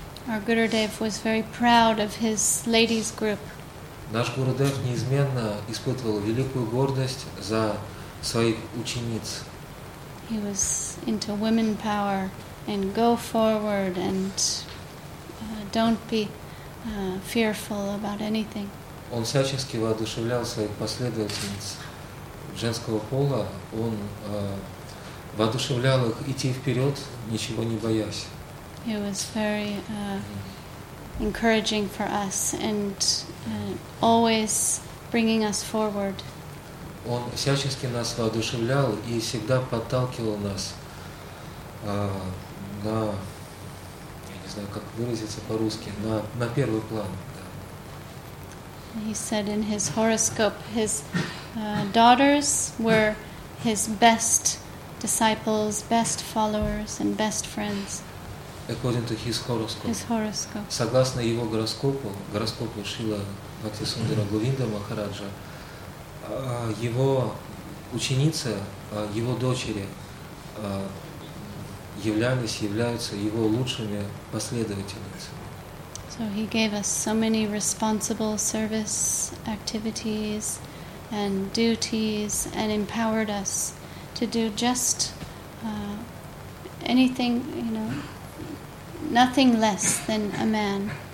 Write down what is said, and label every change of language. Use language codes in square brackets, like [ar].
[en] Our Gurudev was very proud of his ladies' group. [ru] Наш Гурудев неизменно испытывал великую гордость за своих учениц. [en] He was into women power and go forward and don't be fearful about anything. [ru] Он всячески воодушевлял своих последовательниц женского пола. Он воодушевлял их идти вперед, ничего не боясь. [en] It was very encouraging for us and always bringing us forward. [ru] Он всячески нас воодушевлял и всегда подталкивал нас на, я не знаю, как выразиться по-русски, на первый план. [en] He said in his horoscope his daughters were his best disciples, best followers and best friends. According to his horoscope. His horoscope. [ru] Согласно его гороскопу, гороскопу Шрила Бхакти Сундара Говинда Махараджа, его ученица, его дочери являлись, являются его лучшими последовательницами. [en] So he gave us so many responsible service activities and duties and empowered us to do just anything, you know, nothing less than a man.